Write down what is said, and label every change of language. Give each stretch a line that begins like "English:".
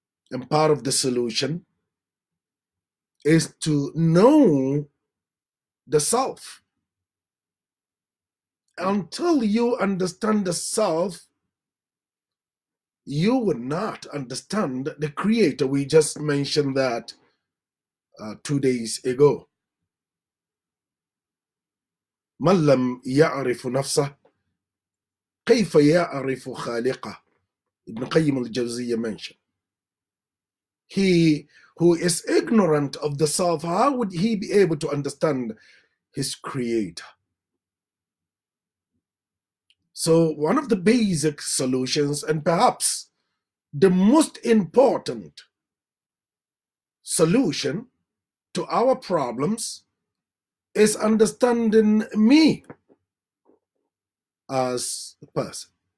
English: And part of the solution is to know the self. Until you understand the self, you will not understand the creator. We just mentioned that 2 days ago.
Arabic: من لم يعرف نفسه كيف يعرف خالقه؟ ابن قيم الجوزية
English: mentioned. He who is ignorant of the self, how would he be able to understand his creator? So one of the basic solutions, and perhaps the most important solution to our problems, is understanding me as a person.